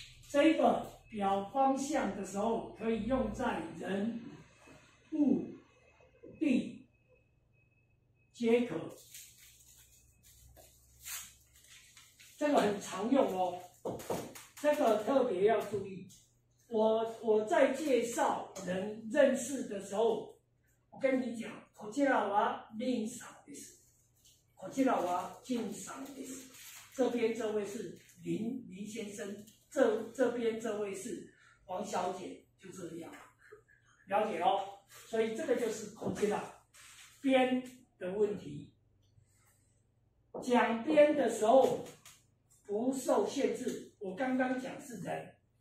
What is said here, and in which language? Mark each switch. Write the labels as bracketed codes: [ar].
[zh] 这个表方向的时候，可以用在人、物、地皆可。这个很常用哦，这个特别要注意。我在介绍人认识的时候，我跟你讲， [ja] こちらは林さんです。こちらは金さんです。 [zh] 这边这位是林先生，这边这位是王小姐，就这样，了解哦。所以这个就是こちら边的问题。讲边的时候不受限制，我刚刚讲是人。